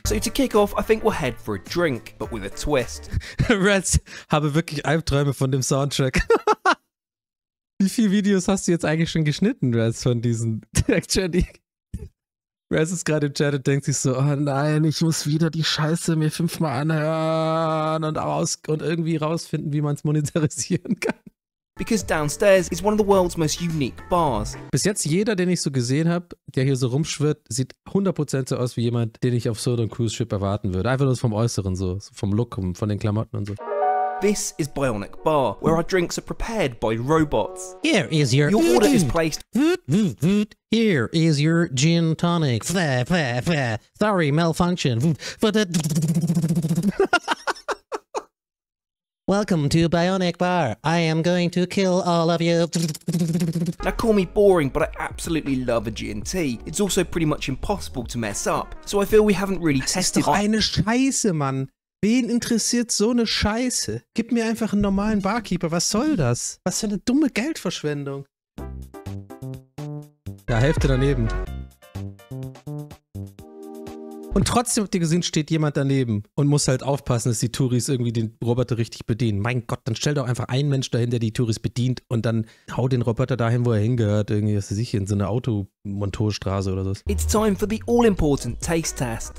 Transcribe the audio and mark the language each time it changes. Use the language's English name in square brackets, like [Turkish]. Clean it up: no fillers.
[English] So to kick off, I think we'll head for a drink, but with a twist. [German] Reds, habe wirklich Albträume von dem Soundtrack. Wie viele Videos hast du jetzt eigentlich schon geschnitten, Reds, von diesen Actually? Reds ist gerade im Chat und denkt sich so, oh nein, ich muss wieder die Scheiße mir fünfmal anhören und aus und irgendwie rausfinden, wie man es monetarisieren kann. [English] Because downstairs is one of the world's most unique bars. [German] Bis jetzt jeder, den ich so gesehen habe, der hier so rumschwirrt, sieht 100% so aus wie jemand, den ich auf so einem Cruise Ship erwarten würde. Einfach nur vom Äußeren so, vom Look, von den Klamotten und so. [English] This is Bionic Bar, where our drinks are prepared by robots. Here is your... Your order is placed... Here is your gin tonic. Sorry, malfunction. Welcome to Bionic Bar. I am going to kill all of you. Now call me boring, but I absolutely love a G&T. It's also pretty much impossible to mess up. So I feel we haven't really [German] das [English] tested... [German] Das ist doch eine Scheiße, Mann. Wen interessiert so eine Scheiße? Gib mir einfach einen normalen Barkeeper. Was soll das? Was für eine dumme Geldverschwendung. Ja, Hälfte daneben. Und trotzdem habt ihr gesehen, steht jemand daneben und muss halt aufpassen, dass die Touris irgendwie den Roboter richtig bedienen. Mein Gott, dann stell doch einfach einen Mensch dahin, der die Touris bedient und dann hau den Roboter dahin, wo er hingehört, irgendwie, was weiß ich, in so eine Automontorstraße oder so. [English] It's time for the all-important taste test.